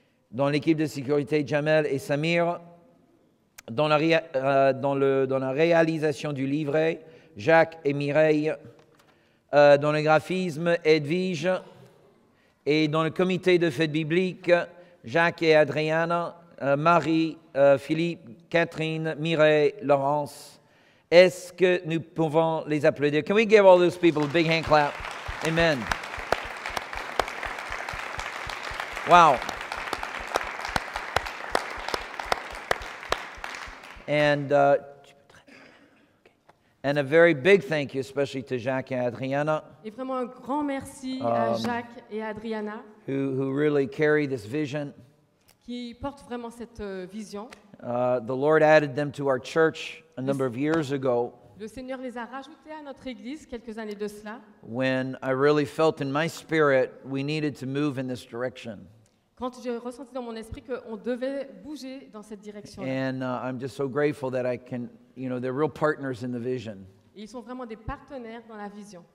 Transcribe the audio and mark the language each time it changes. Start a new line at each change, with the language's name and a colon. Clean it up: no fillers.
French: Dans l'équipe de sécurité, Jamel et Samir. Dans la réalisation du livret, Jacques et Mireille. Dans le graphisme, Edwige. Et dans le comité de fête biblique, Jacques et Adriana, Marie, Philippe, Catherine, Mireille, Laurence. Est-ce que nous pouvons les applaudir?
English: Can we give all those people a big hand clap? Amen. Wow. And a very big thank you, especially to Jacques and Adriana.
French: Et vraiment un grand merci à Jacques et Adriana.
English: Who really carry this vision.
French: Qui porte vraiment cette vision.
English: The Lord added them to our church a number of years ago.
French: Le Seigneur les a rajoutés à notre église quelques années de cela.
English: When I really felt in my spirit we needed to move in this direction.
French: Quand j'ai ressenti dans mon esprit que on devait bouger dans cette direction.
English: And I'm just so grateful that I can, you know, they're real partners in the vision.
French: Ils sont vraiment des partenaires dans la vision.